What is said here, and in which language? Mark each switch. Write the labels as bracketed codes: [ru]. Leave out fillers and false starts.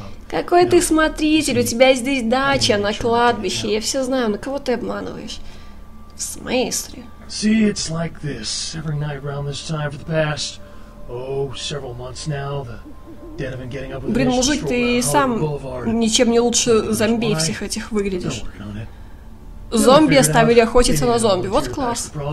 [ru] Какой ты смотритель, у тебя здесь дача на кладбище, я все знаю, на кого ты обманываешь? В смысле? [en] See, it's like this. Every night around this time for the past, oh, several months now, the dead have been getting up with this. [ru] Блин, мужик, ты сам ничем не лучше зомби всех этих выглядишь. Зомби оставили охотиться на зомби, вот класс.